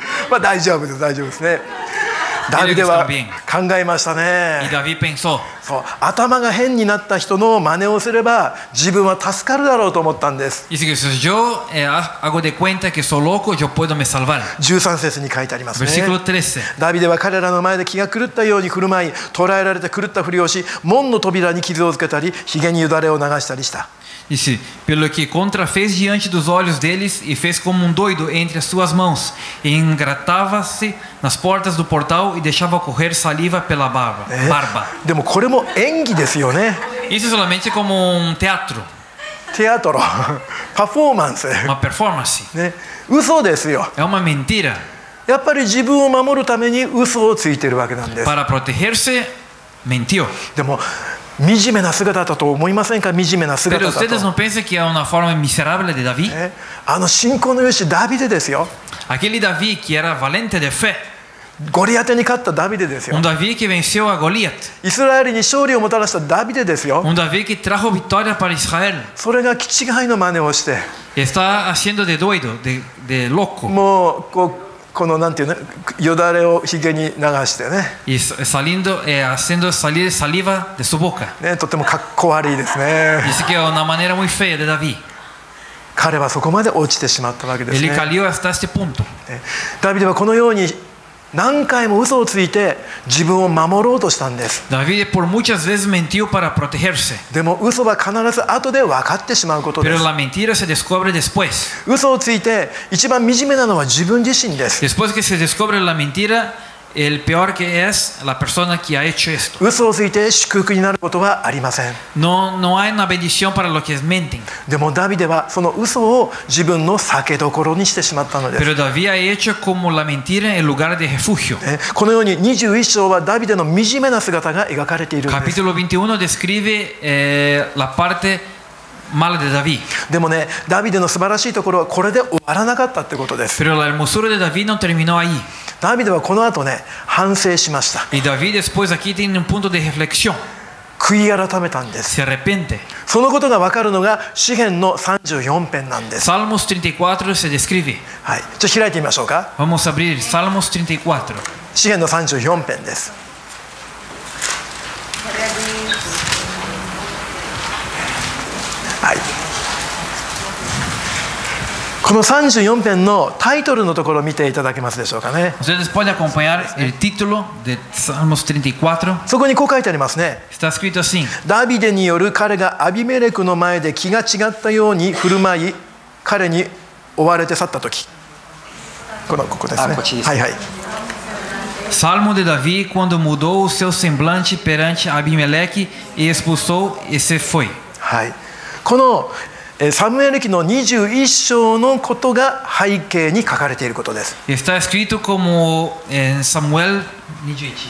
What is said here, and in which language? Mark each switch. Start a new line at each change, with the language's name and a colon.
Japanese: まあ大丈夫です、大丈夫ですね。ダビデは考えましたね。
Spanish: ダビペンソ。
Japanese: そう、頭が変になった人の真似をすれば自分は助かるだろうと思ったんです。
Spanish: Y si yo hago de cuenta que soy loco, yo puedo me salvar.
Japanese: 13節に書いてありますね。
Spanish: Versículo 13.
Japanese: ダビデは彼らの前で気が狂ったように振る舞い、捕らえられて狂ったふりをし、門の扉に傷をつけたり、ひげによだれを流したりした。
Portuguese: Dice, pelo que contrafez diante dos olhos deles e fez como doido entre as suas mãos, e engratava-se nas portas do portal e deixava correr saliva pela barba.
Japanese: でもこれも演技ですよね。
Portuguese: Isso
Spanish: solamente como teatro. Teatro. Performance.
Portuguese: Uma performance.
Japanese: ね、嘘ですよ。
Portuguese: É uma mentira.
Japanese: やっぱり自分を守るために嘘をついてるわけなんです。
Spanish: Para protegerse, mentió.
Japanese: でも惨めな姿だと思いませんか？惨めな姿だと。
Spanish: Pero ustedes no piensan que era una forma miserable de David?
Japanese: あの信仰の勇士ダビデですよ。
Portuguese: Aquele
Spanish: David que era valiente de fe.
Japanese: ゴリアテに勝ったダビデですよ。
Spanish: Un David que venció a Goliat.
Japanese: イスラエルに勝利をもたらしたダビデですよ。
Spanish: Un David que trajo victoria para Israel.
Japanese: それがキチガイの真似をして。
Spanish: Está haciendo
Portuguese: de doido,
Spanish: de loco.
Japanese: もうこうこのなんていうの、よだれをひげに流してね。
Spanish: Y saliendo, haciendo salir saliva de su boca.
Japanese: ね、とてもかっこ悪いですね。
Spanish: Dice que era una manera muy fea de David.
Japanese: 彼はそこまで落ちてしまったわけですね。
Spanish: Él cayó hasta este punto.
Japanese: ダビデはこのように何回も嘘をついて自分を守ろうとしたんです。
Spanish: ダビデ por muchas veces mentió para protegerse。
Japanese: でも嘘は必ず後で分かってしまうことです。
Spanish: Pero la mentira se descubre después。
Japanese: 嘘をついて一番惨めなのは自分自身です。
Spanish: Después que se descubre la mentira, el peor que es la persona que ha hecho esto。
Japanese: 嘘をついて祝福になることはありません。
Spanish: No hay una bendición para lo que es mentir。
Japanese: でもダビデはその嘘を自分の避け所にしてしまったのです。
Spanish: Pero David ha hecho como la mentira en lugar de refugio。
Japanese: このように21章はダビデの惨めな姿が描かれているんです。
Spanish: Capítulo 21 describe la parte mala de David。
Japanese: でもね、ダビデの素晴らしいところはこれで終わらなかったってことです。
Spanish: Pero la hermosura de David no terminó ahí。
Japanese: ダビデはこの後ね、反省しました。
Spanish: Y David después aquí tiene un punto de reflexión。
Japanese: 悔い改めたんです。
Spanish: Se arrepiente。
Japanese: そのことが分かるのが詩篇の34篇なんです。
Spanish: Salmos 34 se describe。
Japanese: はい、じゃあ開いてみましょうか。
Spanish: Vamos a abrir Salmos 34。
Japanese: 詩篇の34篇です。はい。この34篇のタイトルのところを見ていただけますでしょうかね。
Spanish: Ustedes pueden acompañar el título de Salmos 34.
Japanese: そこにこう書いてありますね。
Spanish: Está escrito así.
Japanese: ダビデによる彼がアビメレクの前で気が違ったように振る舞い、彼に追われて去ったとき。このここですね。こっちですね。はいはい。
Portuguese: Salmo de David cuando mudou o seu semblante perante Abimeleque e expulsou e se foi.
Japanese: はい。このサムエル記の21章のことが背景に書かれていることです。
Spanish: Está escrito como en Samuel 21.